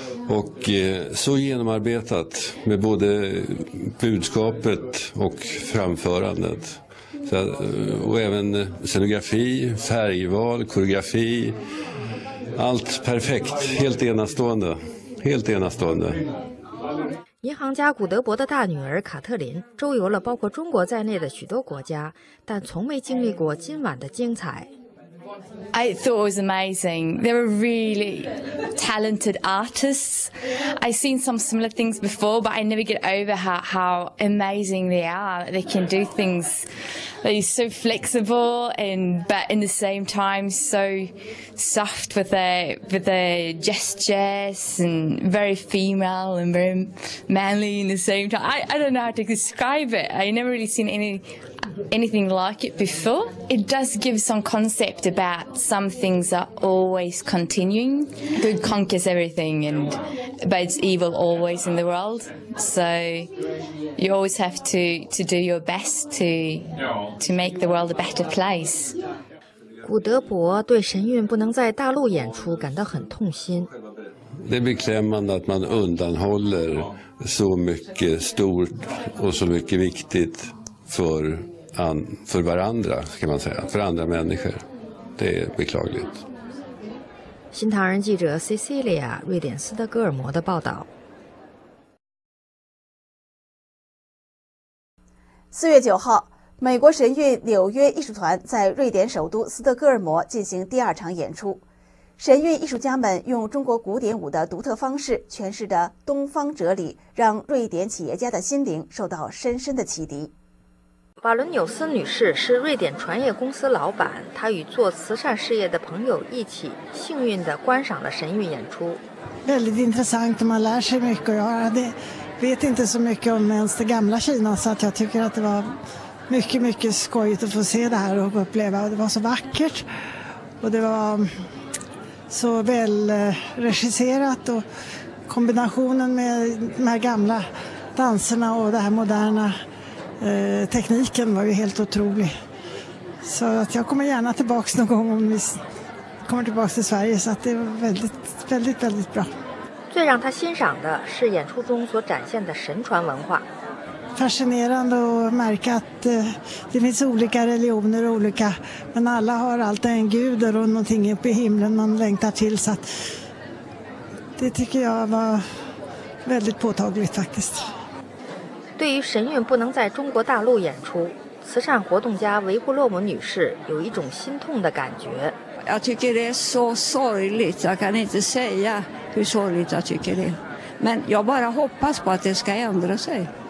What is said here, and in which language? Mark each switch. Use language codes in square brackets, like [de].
[sv] Och så genomarbetat med både budskapet och framförandet. Och även scenografi, färgval, koreografi. Allt perfekt. Helt enastående. Helt enastående. [zh] 银行家古德伯的大女儿卡特琳周游了包括中国在内的许多国家，但从没经历过今晚的精彩。 [en] I thought it was amazing. There were really talented artists. I've seen some similar things before, but I never get over how amazing they are. They can do things. They're so flexible, and but in the same time so soft with their gestures, and very female and very manly in the same time. I don't know how to describe it. I've never really seen anything like it before. It does give some concept about some things are always continuing. Good conquers everything, but it's evil always in the world. So you always have to do your best to make the world a better place. [zh] 古德伯对神韵不能在大陆演出感到很痛心。 [sv] Det är beklämmande att man undanhåller så mycket stort och så mycket viktigt för varandra, kan man säga, för andra människor. Det är beklagligt. [zh] 新唐人记者 Cecilia 瑞典斯德哥尔摩的报道。四月九号，美国神韵纽约艺术团在瑞典首都斯德哥尔摩进行第二场演出。神韵艺术家们用中国古典舞的独特方式诠释的东方哲理，让瑞典企业家的心灵受到深深的启迪。瓦伦纽斯女士是瑞典船业公司老板，她与做慈善事业的朋友一起幸运地观赏了神韵演出。 [sv] Väldigt intressant, man lär sig mycket. Jag vet inte så mycket om ens det gamla Kina, så jag tycker att det var mycket, mycket skojigt att få se det här och uppleva. Det var så vackert och det var så väl regisserat och kombinationen med de här gamla danserna och det här moderna tekniken var ju helt otrolig. Så att jag kommer gärna tillbaka någon gång om vi kommer tillbaka till Sverige, så att det är väldigt väldigt väldigt bra. [zh] 最让他欣赏的是演出中所展现的神传文化。 [sv] Fascinerande att märka att det finns olika religioner och olika, men alla har alltid en gud och någonting uppe i himlen man längtar till, så att det tycker jag var väldigt påtagligt faktiskt. [zh] 对于神韵不能在中国大陆演出，慈善活动家维布洛姆女士有一种心痛的感觉。 [sv] Jag tycker det är så sorgligt. Jag kan inte säga hur sorgligt jag tycker det. Men jag bara hoppas på att det ska ändra sig.